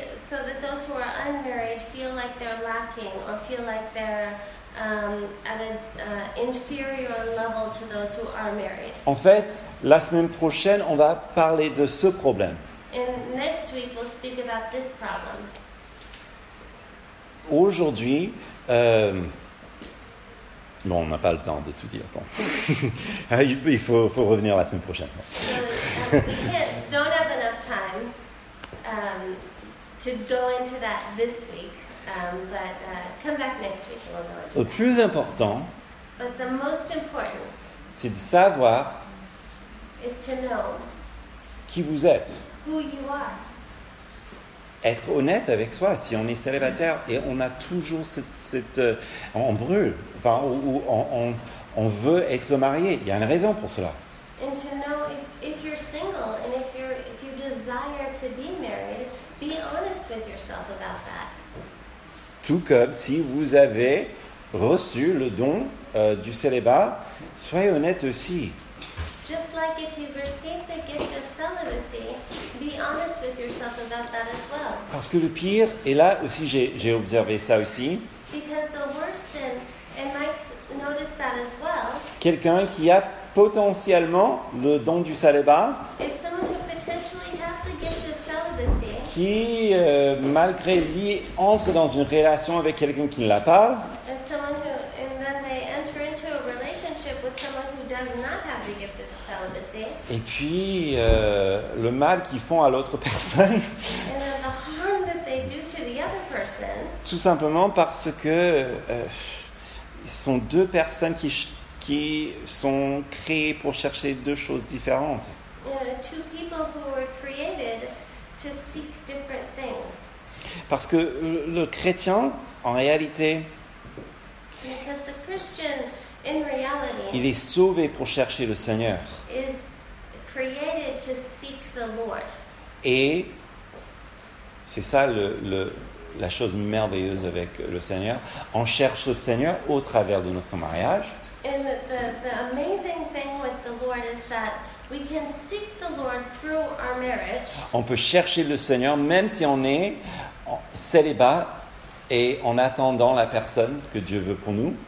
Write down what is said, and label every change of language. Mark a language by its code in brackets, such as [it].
[en] So that those who are unmarried feel like they're lacking or feel like they're at an inferior level to those who are married. [fr] En fait, la semaine prochaine, on va parler de ce problème. And next week, we'll speak about this problem. Aujourd'hui, bon, on n'a pas le temps de tout dire. Bon. Il faut revenir la semaine prochaine. [en] We don't have enough time to go into that this week. But come back next week and we'll go into that. [fr] Le plus important, [en] but the most important, [fr] c'est de savoir [en] is to know [fr] qui vous êtes. [en] Who you are. [fr] Être honnête avec soi. Si on est célibataire et on a toujours cette on brûle, enfin, ou on veut être marié, il y a une raison pour cela. [en] And to know if you're single and if you desire to be married, be honest with yourself about that. [fr] Tout comme si vous avez reçu le don du célibat, soyez honnête aussi. [en] Just like if you've received the gift of celibacy, be honest with yourself about that as well. [fr] Parce que le pire, et là aussi j'ai observé ça aussi. [en] Because the worst, and Mike's noticed that as well. [fr] Quelqu'un qui a potentiellement le don du célibat. [en] Is someone who potentially has the gift of celibacy. [fr] Qui, malgré lui, entre dans une relation avec quelqu'un qui ne l'a pas. [en] And someone who, and then they enter into a relationship with someone who does not have the gift of celibacy. [fr] Et puis, le mal qu'ils font à l'autre personne. [en] And then the harm that they do to the other person. [fr] Tout simplement parce que ce sont deux personnes qui sont créées pour chercher deux choses différentes. [en] Two people who were created to seek different things. [fr] Parce que le chrétien, en réalité, [en] because the Christian, in reality, [fr] il est sauvé pour chercher le Seigneur. [en] Is created to seek the Lord. [fr] Et c'est ça la chose merveilleuse avec le Seigneur. On cherche le Seigneur au travers de notre mariage. [en] And the amazing thing with the Lord is that we can seek the Lord through our marriage. [fr] On peut chercher le Seigneur même si on est célibat et en attendant la personne que Dieu veut pour nous.